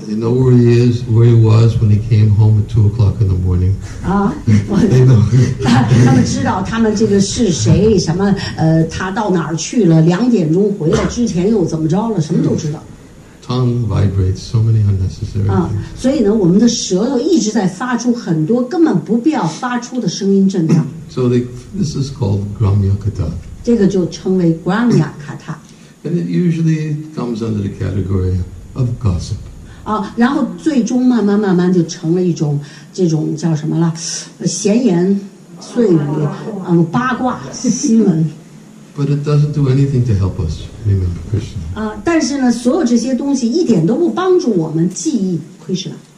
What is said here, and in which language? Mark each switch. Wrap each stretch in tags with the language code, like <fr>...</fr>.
<en>You know where he is, where he was when he came home at 2 o'clock in the morning. 啊， they know.</en> <zh>他们知道他们这个是谁，什么他到哪儿去了，两点钟回来之前又怎么着了，什么都知道。</zh> <en>Tongue vibrates so many unnecessary things.</en> <zh>所以呢，我们的舌头一直在发出很多根本不必要发出的声音震荡。</zh> <en>So this is called Gramya Katha.</en> <zh>这个就称为 Gramya Katha.</zh> <en>And it usually comes under the category of gossip.</en> <zh>啊，然后最终慢慢就成了一种这种叫什么了，闲言碎语，八卦新闻。</zh> <en>But it doesn't do anything to help us remember Krishna.</en> <zh>啊，但是呢，所有这些东西一点都不帮助我们记忆 Krishna.</zh>